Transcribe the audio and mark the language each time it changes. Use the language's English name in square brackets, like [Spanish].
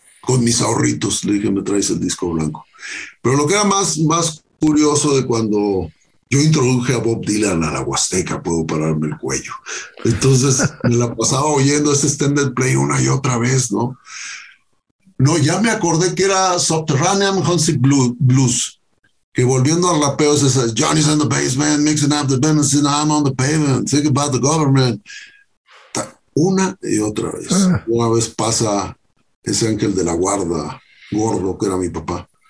[Spanish] Con mis ahorritos, le dije, me traes el disco blanco. Pero lo que era más curioso de cuando yo introduje a Bob Dylan a la Huasteca, puedo pararme el cuello. Entonces, me la pasaba oyendo ese extended play una y otra vez, ¿no? No, ya me acordé que era Subterranean Hunsic Blues. Que volviendo al rapeo, se dice, [English] Johnny's in the basement, mixing up the business, and I'm on the pavement, think about the government. [Spanish] Una y otra vez. Una vez pasa ese ángel de la guarda, gordo, que era mi papá.